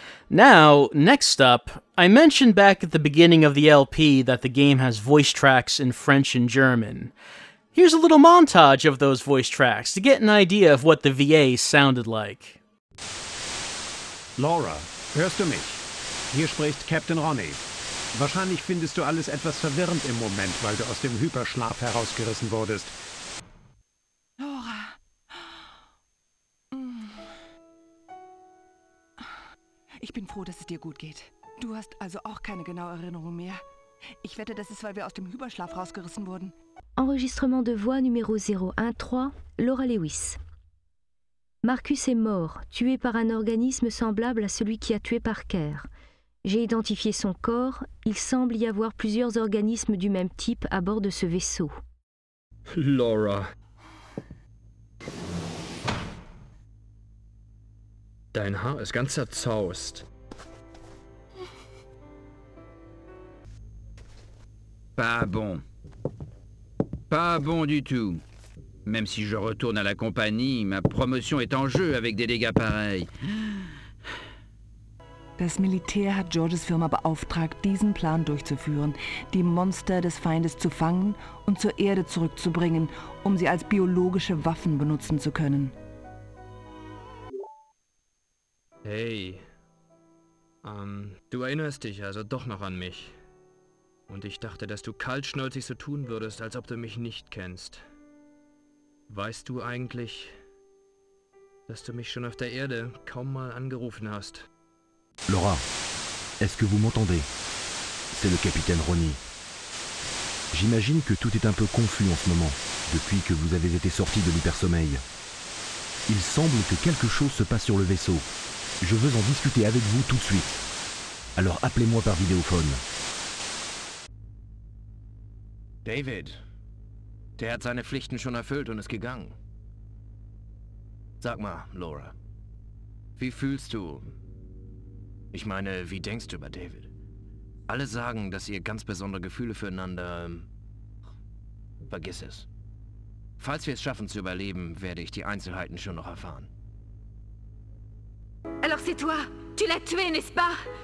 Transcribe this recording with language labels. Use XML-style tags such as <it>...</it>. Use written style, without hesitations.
<en>Now, next up, I mentioned back at the beginning of the LP that the game has voice tracks in French and German. Here's a little montage of those voice tracks to get an idea of what the VA sounded like.</en> <de>Laura, hörst du mich? Hier spricht Captain Ronnie. Wahrscheinlich findest du alles etwas verwirrend im Moment, weil du aus dem Hyperschlaf herausgerissen wurdest. Laura. Ich bin froh, dass es dir gut geht. Du hast also auch keine genaue Erinnerung mehr. Ich wette, das ist, weil wir aus dem Hyperschlaf rausgerissen wurden.</de> <fr>Enregistrement de voix numéro 013, Laura Lewis. Marcus est mort, tué par un organisme semblable à celui qui a tué Parker. J'ai identifié son corps. Il semble y avoir plusieurs organismes du même type à bord de ce vaisseau. Laura.</fr> <de>Dein Haar ist ganz zerzaust.</de> <fr>Pas bon du tout. Même si je retourne à la compagnie, ma promotion est en jeu avec des dégâts pareils.</fr> <de>Das Militär hat Georges Firma beauftragt, diesen Plan durchzuführen, die Monster des Feindes zu fangen und zur Erde zurückzubringen, um sie als biologische Waffen benutzen zu können. Hey, du erinnerst dich also doch noch an mich. Und ich dachte, dass du kaltschnäuzig so tun würdest, als ob du mich nicht kennst. Weißt du eigentlich, dass du mich schon auf der Erde kaum mal angerufen hast?</de> <fr>Laura, est-ce que vous m'entendez? C'est le capitaine Ronnie. J'imagine que tout est un peu confus en ce moment, depuis que vous avez été sorti de l'hypersommeil. Il semble que quelque chose se passe sur le vaisseau. Je veux en discuter avec vous tout de suite. Alors appelez-moi par vidéophone.</fr> <de>David, der hat seine Pflichten schon erfüllt und ist gegangen. Sag mal, Laura, wie fühlst du? Ich meine, wie denkst du über David? Alle sagen, dass ihr ganz besondere Gefühle füreinander... Vergiss es. Falls wir es schaffen zu überleben, werde ich die Einzelheiten schon noch erfahren.</de> <fr>Alors c'est toi, tu l'as tué, n'est-ce pas?</fr>